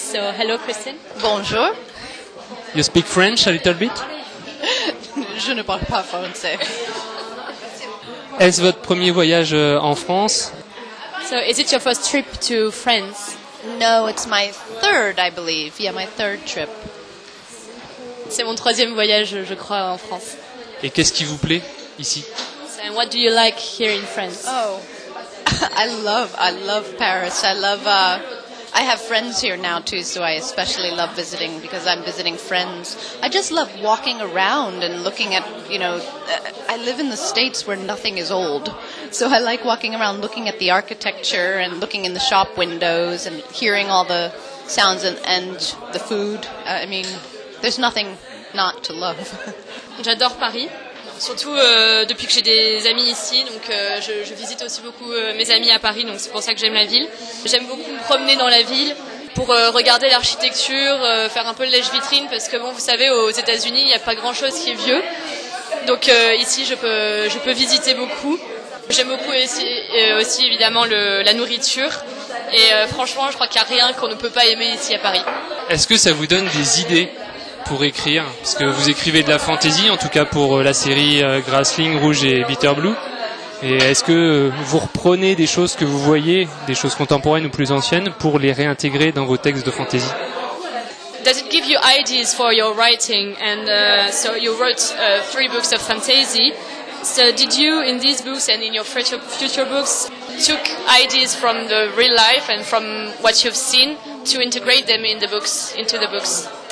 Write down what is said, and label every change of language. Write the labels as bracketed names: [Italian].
[English] So hello, Christine. [French] Bonjour. [English] You speak French a little bit? [French] Je ne parle pas français. Est-ce votre premier voyage en France? [English] So is it your first trip to France? No, it's my third, I believe. Yeah, my third trip. [French] C'est mon troisième voyage, je crois, en France. Et qu'est-ce qui vous plaît ici? [English] And what do you like here in France? Oh, I love Paris. I have friends here now too, so I especially love visiting because I'm visiting friends. I just love walking around and looking at, you know, I live in the States where nothing is old. So I like walking around looking at the architecture and looking in the shop windows and hearing all the sounds and the food. I mean, there's nothing not to love. [French] J'adore Paris. Surtout depuis que j'ai des amis ici, donc je visite aussi beaucoup mes amis à Paris, donc c'est pour ça que j'aime la ville. J'aime beaucoup me promener dans la ville pour regarder l'architecture, faire un peu le lèche-vitrine, parce que bon, vous savez, aux États-Unis, il n'y a pas grand-chose qui est vieux. Donc ici, je peux visiter beaucoup. J'aime beaucoup aussi évidemment la nourriture. Et franchement, je crois qu'il n'y a rien qu'on ne peut pas aimer ici à Paris. Est-ce que ça vous donne des idées pour écrire, parce que vous écrivez de la fantasy, en tout cas pour la série Grassling, Rouge et Bitter Blue. Et est-ce que vous reprenez des choses que vous voyez, des choses contemporaines ou plus anciennes, pour les réintégrer dans vos textes de fantasy? [English] Does it give you ideas for your writing? And so you wrote 3 books of fantasy. So did you, in these books and in your future books, took ideas from the real life and from what you've seen to integrate them into the books?